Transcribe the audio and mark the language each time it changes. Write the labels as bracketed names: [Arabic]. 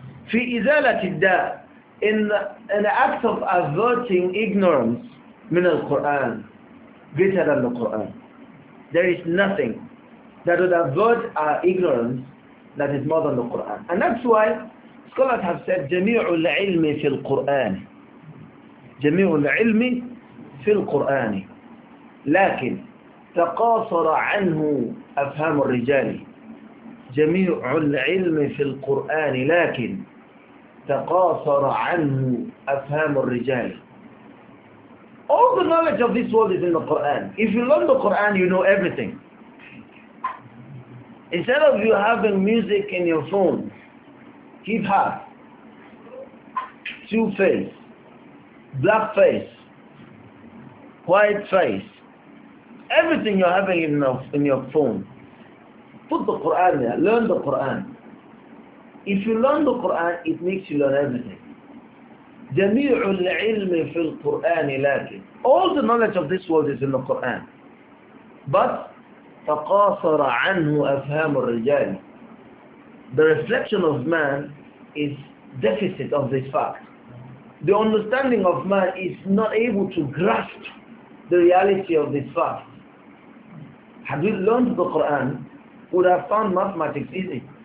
[Arabic] في إزالة الداء, [English] in the act of averting ignorance, [Arabic] من القرآن, [English] greater than the Quran. There is nothing that would avert our ignorance that is more than the Quran. And that's why scholars have said, [Arabic] جَمِيعُ الْعِلْمِ فِي الْقُرْآنِ. جَمِيعُ الْعِلْمِ فِي الْقُرْآنِ. لَكِنْ تَقَاصَرَ عَنْهُ أَفْهَامُ الرِّجَالِ. جَمِيعُ الْعِلْمِ فِي الْقُرْآنِ. لَكِنْ تَقَاصَرَ عَنْهُ أَفْهَامُ الرِّجَالِ. [English] All the knowledge of this world is in the Quran. If you learn the Quran, you know everything. Instead of you having music in your phone, hip-hop, two-face, black face, white face, everything you're having in your phone, put the Quran there, learn the Quran. If you learn the Quran, it makes you learn everything. [Arabic] جَمِيعُ الْعِلْمِ فِي الْقُرْآنِ. لَكِنْ [English] all the knowledge of this world is in the Quran. But [Arabic] تَقَاصَرَ عَنْهُ أَفْهَامُ الرِّجَالِ. [English] The reflection of man is deficit of this fact. The understanding of man is not able to grasp the reality of this fact. Had we learned the Quran, would have found mathematics easy.